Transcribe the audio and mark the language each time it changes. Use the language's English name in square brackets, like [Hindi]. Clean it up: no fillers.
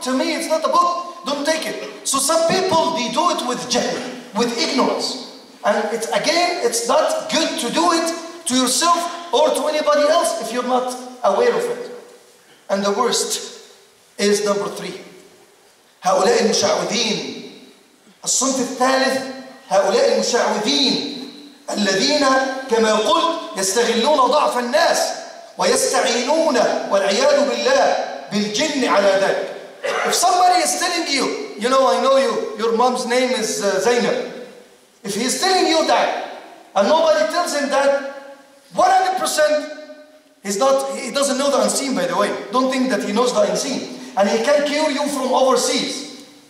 [English] To me, it's not a book. Don't take it. So some people, they do it with jahl, with ignorance. And it's not good to do it to yourself or to anybody else if you're not aware of it. And the worst is number three. [Arabic] هؤلاء المشعوذين. الصنف الثالث, هؤلاء المشعوذين الذين كما قلت يستغلون ضعف الناس ويستعينون والعياذ بالله بالجن على ذلك. [English] If somebody is telling you, you know, I know you, your mom's name is Zainab. If he is telling you that, and nobody tells him that, 100% he doesn't know the unseen, by the way. Don't think that he knows the unseen. And he can cure you from overseas.